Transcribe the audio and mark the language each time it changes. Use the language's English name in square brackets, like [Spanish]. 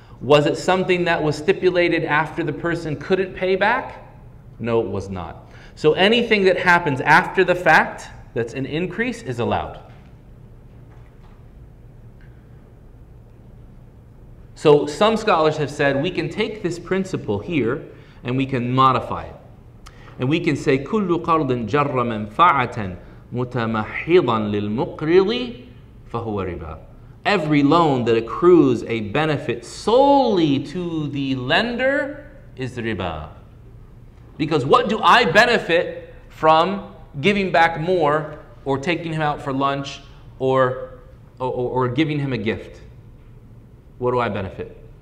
[English] Was it something that was stipulated after the person couldn't pay back? No, it was not. So anything that happens after the fact that's an increase is allowed. So some scholars have said we can take this principle here and we can modify it. And we can say, [Arabic] كُلُّ قَرْضٍ جَرَّ مَنْفَعَةً مُتَمَحِّضًا لِلْمُقْرِضِ فَهُوَ رِبَى. [English] Every loan that accrues a benefit solely to the lender is riba. Because what do I benefit from giving back more or taking him out for lunch or giving him a gift? What do I benefit?